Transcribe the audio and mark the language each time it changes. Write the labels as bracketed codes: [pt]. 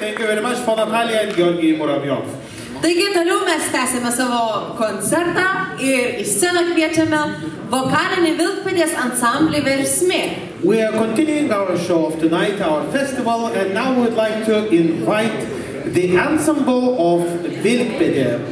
[en] Thank you very much for Natalija and Georgi Muravjovs. [lt] Taigi, toliau mes tęsime savo koncertą ir į sceną kviečiame vokalinį Vilkpėdės ansamblį Versmė. [en] We are continuing our show of tonight, our festival, and now we would like to invite the ensemble of Vilkpėdė.